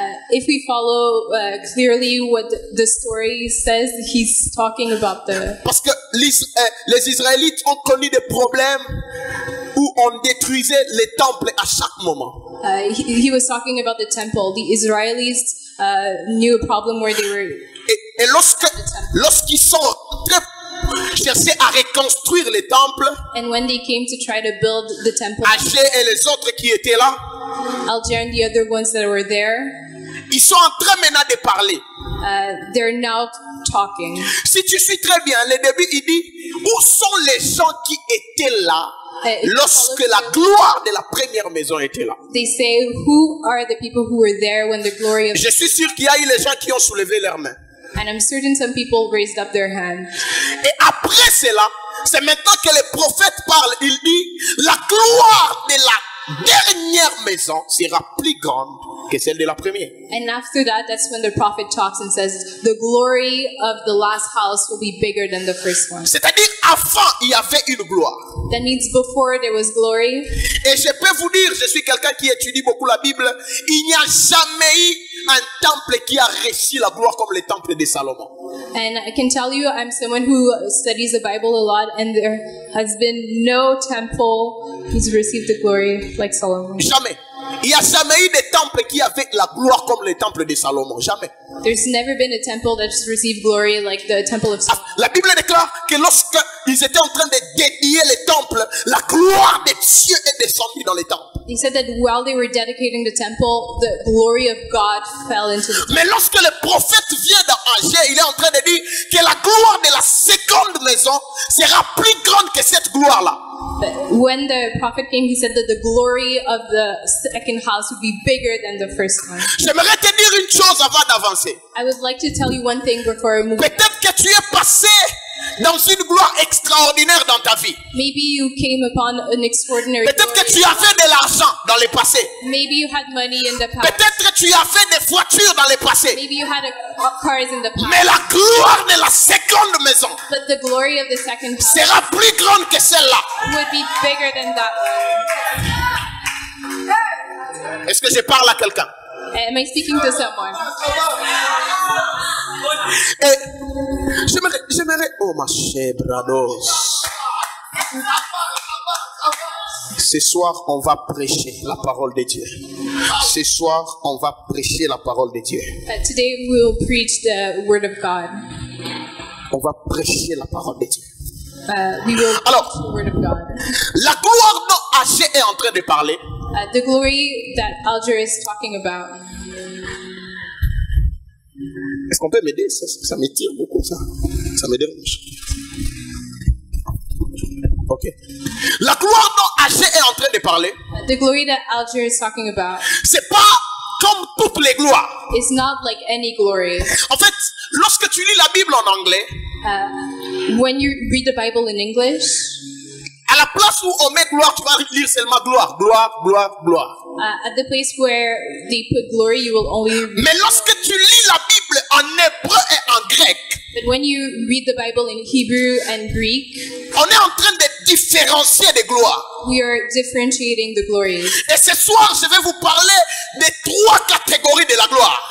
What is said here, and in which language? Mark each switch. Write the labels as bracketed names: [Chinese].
[English] If we follow clearly what the story says, he's talking about the. [French] Parce que les Israélites ont connu des problèmes où on détruisait les temples à chaque moment. [English] He was talking about the temple. The Israelites knew a problem where they were. [French] Et lorsqu'ils sont très chercher à reconstruire les temples, [English] and when they came to try to build the temple, [French] Agé et les autres qui étaient là, [English] Alger and the other ones that were there, [French] ils sont en train maintenant de parler. [English] They're now talking. [French] Si tu suis très bien, le début il dit, où sont les gens qui étaient là lorsque la gloire de la première maison était là? [English] They say, who are the people who were there when the glory of? [French] Je suis sûr qu'il y a eu les gens qui ont soulevé leurs mains. [English] And I'm certain some people raised up their hand. [French] Et après cela, c'est maintenant que le prophète parle. Il dit, la gloire de la dernière maison sera plus grande que celle de la première. [English] And after that, that's when the prophet talks and says, the glory of the last house will be bigger than the first one. [French] C'est-à-dire, avant, il y avait une gloire. [English] That means before there was glory. [French] Et je peux vous dire, je suis quelqu'un qui étudie beaucoup la Bible, il n'y a jamais eu un temple qui a reçu la gloire comme le temple de Salomon. [English] And I can tell you, I'm someone who studies the Bible a lot, and there has been no temple who's received the glory like Solomon. [French] Jamais. Il n'y a jamais eu de temple qui avait la gloire. gloire comme le temple de Salomon. Jamais. [English] There's never been a temple that just received glory like the temple of Solomon. [French] La Bible déclare que lorsque ils étaient en train de dédier le temple, la gloire des cieux est descendue dans le temple. [English] He said that while they were dedicating the temple, the glory of God fell into the temple. [French] Mais lorsque le prophète vient dans Agé, il est en train de dire que la gloire de la seconde maison sera plus grande que cette gloire-là. [English] But when the prophet came, he said that the glory of the second house would be bigger than the first one. [French] J'aimerais te dire une chose avant d'avancer. [English] I would like to tell you one thing before I move. [French] Peut-être que tu es passé dans une gloire extraordinaire dans ta vie. [English] Maybe you came upon an extraordinary. [French] Peut-être que tu avais de l'argent dans le passé. [English] Maybe you had money in the past. [French] Peut-être que tu avais des voitures dans le passé. [English] Maybe you had cars in the past. [French] Mais la gloire de la seconde maison. [English] But the glory of the second house [French] sera plus grande que celle-là. [English] Would be bigger than that one. [French] Est-ce que je parle à quelqu'un? [English] Am I speaking to someone? [French] Et j'aimerais, oh ma chère Brados, ce soir on va prêcher la parole de Dieu. Ce soir on va prêcher la parole de Dieu. [English] Today we will preach the word of God. [French] On va prêcher la parole de Dieu. [English] We will preach [French] Alors, [English] the word of God. [French] La gloire dont Agé est en train de parler. [English] The glory that Alger is talking about. [French] Est-ce qu'on peut m'aider? Ça m'étire beaucoup, ça. Ça me dérange. Ok. La gloire dont Agé est en train de parler, [English] the glory that Alger is talking about, [French] c'est pas comme toutes les gloires. [English] It's not like any glory. [French] En fait, lorsque tu lis la Bible en anglais, [English] when you read the Bible in English, [French] à la place où on met gloire, tu vas lire seulement gloire, gloire, gloire, gloire. [English] At the place where they put glory, you will only read. [French] Mais lorsque tu lis la Bible en hébreu et en grec, [English] but when you read the Bible in Hebrew and Greek, [French] on est en train de différencier des gloires. [English] We are differentiating the glories. [French] Et ce soir, je vais vous parler des trois catégories de la gloire.